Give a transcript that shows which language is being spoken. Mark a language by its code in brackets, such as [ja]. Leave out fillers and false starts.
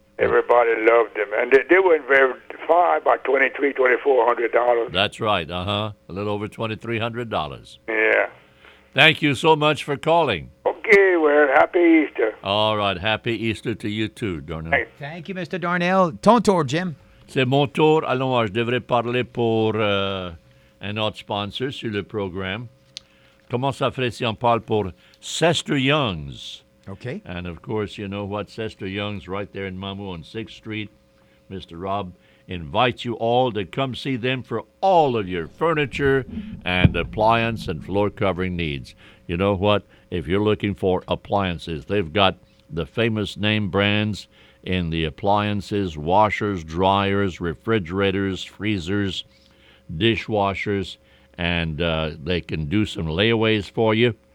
[en] Everybody loved them. And they were verified by $2,400. That's right, uh-huh. A little over $2,300. Yeah. Thank you so much for calling. Okay, well, happy Easter. All right, happy Easter to you too, Dornell. Hey. Thank you, Mr. Dornell. [fr] Ton tour, [en] Jim. [fr] C'est mon tour. Alors, je devrais parler pour un autre sponsor sur le programme. Comment ça ferait si on parle pour Sester Young's? [en] Okay. And, of course, you know what? Sester Young's right there in Mamou on 6th Street. Mr. Rob invites you all to come see them for all of your furniture and appliance and floor covering needs. You know what? If you're looking for appliances, they've got the famous name brands in the appliances, washers, dryers, refrigerators, freezers, dishwashers, and they can do some layaways for you.